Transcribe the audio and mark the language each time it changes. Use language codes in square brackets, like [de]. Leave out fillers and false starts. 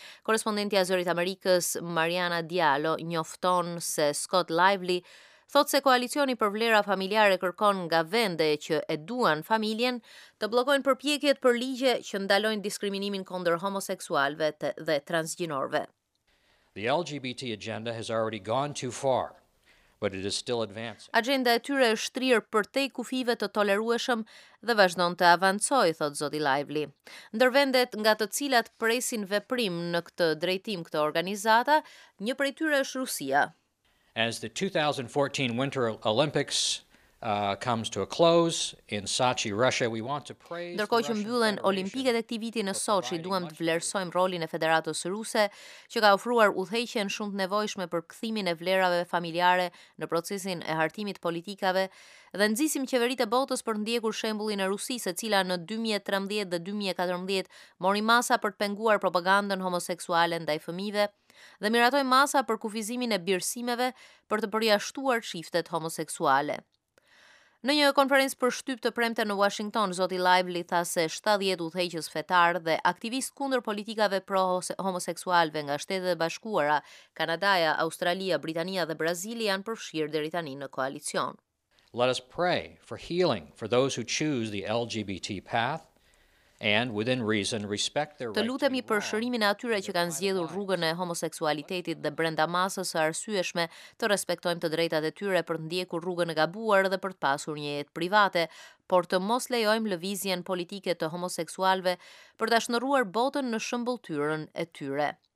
[sq] Korrespondenti i Zërit Amerikës Mariana Diallo njofton se Scott Lively thot se koalicioni për vlera familjare kërkon nga vende që e duan familjen të bllokojnë përpjekjet për ligje që ndalojnë diskriminimin kundër homoseksualve dhe transgjinorëve. [en] The LGBT agenda has already gone too far, but it is still advancing. [sq] Agenda e tyre është shtrirë përtej kufive të tolerueshëm dhe vazhdon të avancojë, thot Zoti Lively. Ndër vendet nga të cilat presin veprim në këtë drejtim këto organizata, një prej tyre është Rusia. [en] As the 2014 Winter Olympics comes to a close in Sochi, Russia. We want to praise. [sq] Ndërkohë që mbyllen Olimpiket e këtij viti në Sochi, duam të vlerësojmë rolin e Federatës Ruse, që ka ofruar udhëheqjen shumë të nevojshme për kthimin e vlerave familjare në procesin e hartimit të politikave, dhe nxisim qeveritë e botës për të ndjekur shembullin e Rusisë, e cila në 2013 dhe 2014 mori masa për të penguar propagandën homoseksuale ndaj fëmijëve dhe miratoi masa për kufizimin e birësimeve për të përjashtuar çiftet homoseksuale. Në një konferencë për shtyp të premte në Washington, Zoti Lively tha se 70 udhëheqës fetar dhe aktivist kundër politikave pro-homoseksualve nga Shtetet e Bashkuara, Kanadaja, Australia, Britania dhe Brazili janë përfshirë deri tani në koalicion. [en] Let us pray for healing for those who choose the LGBT path. And within reason, respect their [sq] të lutemi për shërimin e atyre që kanë zgjedhur rrugën e homoseksualitetit dhe brenda masës së arsyeshme të respektojmë të drejtat e tyre për të ndjekur rrugën e gabuar dhe për të pasur një jetë private, por të mos lejojmë lëvizjen politike të homoseksualve për të shndërruar botën në shëmbulltyrën e tyre.